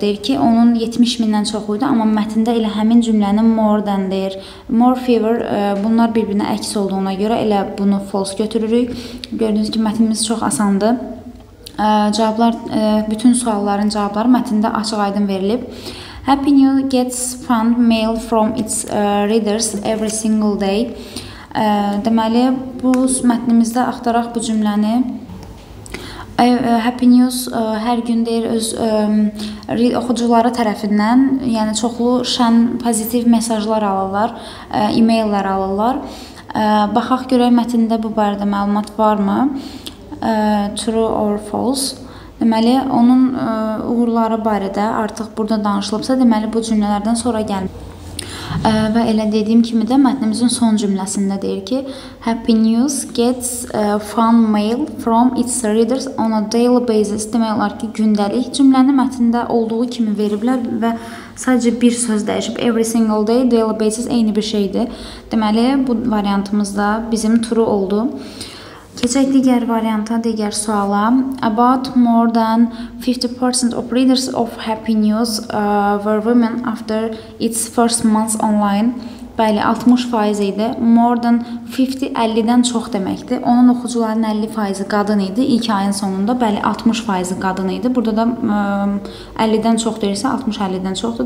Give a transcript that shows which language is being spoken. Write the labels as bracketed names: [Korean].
[Azerbaijani] Deyir ki, onun 70 mindən çox idi, amma mətində elə həmin cümləni [English] more than [Azerbaijani] deyir. [English] More fewer, [Azerbaijani] bunlar bir-birinə əks olduğuna görə elə bunu false götürürük. Gördüyünüz ki, mətnimiz çox asandı. Cavablar, bütün sualların cavabları mətində açıq aydın verilib. [English] Happy News gets fan mail from its readers every single day. [Azerbaijani] Deməli, bu mətnimizdə axtaraq bu cümləni Happy News hər gün deyir öz oxucuları tərəfindən, yəni çoxlu şən pozitiv mesajlar alırlar, e-maillər alırlar. Baxaq görək mətnində bu barədə məlumat varmı? [English] True or false? [Azerbaijani] Deməli, onun uğurları barədə artıq burada danışılıbsa, deməli bu cümlələrdən sonra gəlmək. Və elə dediyim kimi də mətnimizin son cümləsində deyir ki, [English] Happy News gets fan mail from its readers on a daily basis. [Azerbaijani] Demək olar ki, gündəlik cümləni mətnində olduğu kimi veriblər və sadəcə bir söz dəyişib. [English] Every single day, daily basis [Azerbaijani] eyni bir şeydir. Deməli, bu variantımızda bizim turu oldu. Keçək digər varianta, digər suala. [English] About more than 50% of readers of Happy News were women after its first month online. [Azerbaijani] Bəli, 60% idi. [English] More than [Azerbaijani] 50-dən çox deməkdir. Onun oxucuların 50% qadın idi ilk ayın sonunda. Bəli, 60% qadın idi. Burada da 50-dən çox deyirsə, 60-50-dən çoxdur.